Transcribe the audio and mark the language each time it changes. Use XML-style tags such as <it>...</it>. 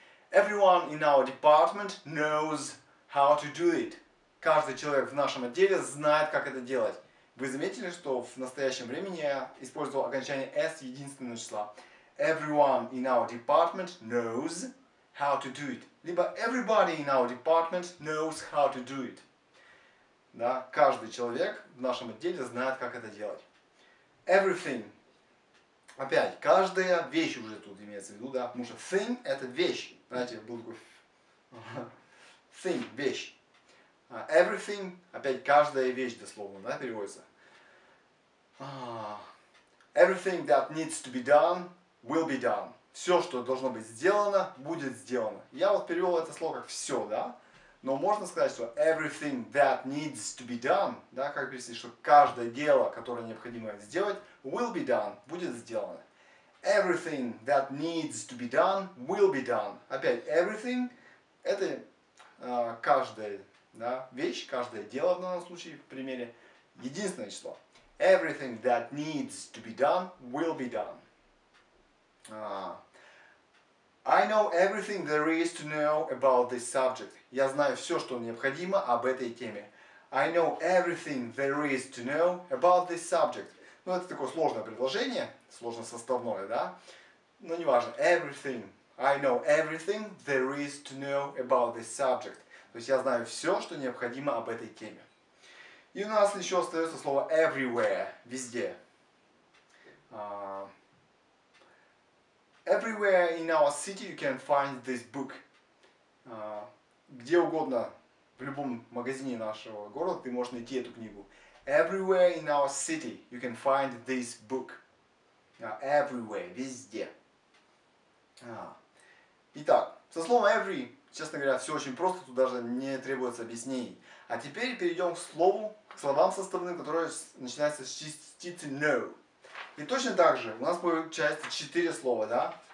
<en>Everyone in our department knows how to do it.</en> <ru>Каждый человек в нашем отделе знает, как это делать. Вы заметили, что в настоящем времени я использовал окончание s единственного числа.</ru> <en>Everyone in our department knows how to do it.</en> <ru>Либо</ru> <en>everybody in our department knows how to do it.</en> <ru>Да, каждый человек в нашем отделе знает, как это делать.</ru> <en>Everything.</en> <ru>Опять, каждая вещь уже тут имеется в виду, да? Потому что thing – это вещь. Знаете, был такой... Thing – вещь. Everything – опять, каждая вещь, дословно, да, переводится.</ru> <en>Everything that needs to be done will be done.</en> <ru>Все, что должно быть сделано, будет сделано. Я вот перевел это слово как «все», да? Но можно сказать, что</ru> <en>everything that needs to be done,</en> <ru>да, как перевести, что каждое дело, которое необходимо сделать,</ru> <en>will be done,</en> <ru>будет сделано.</ru> <en>Everything that needs to be done, will be done.</en> <ru>Опять, everything, это каждая, да, вещь, каждое дело в данном случае, в примере, единственное число.</ru> <en>Everything that needs to be done, will be done. I know everything there is to know about this subject.</en> <ru>Я знаю все, что необходимо об этой теме.</ru> <en>I know everything there is to know about this subject.</en> <ru>Ну, это такое сложное предложение, сложно составное, да? Но неважно.</ru> <en>Everything. I know everything there is to know about this subject.</en> <ru>То есть я знаю все, что необходимо об этой теме. И у нас еще остается слово everywhere, везде.</ru> <en>Everywhere in our city you can find this book.</en> <ru>Где угодно, в любом магазине нашего города, ты можешь найти эту книгу.</ru> <en>Everywhere in our city you can find this book. Everywhere,</en> <ru>везде. Итак, со словом every, честно говоря, все очень просто, тут даже не требуется объяснений. А теперь перейдем к слову, к словам составным, которые начинаются с частицы know. И точно так же у нас будет часть 4 слова, да?</ru>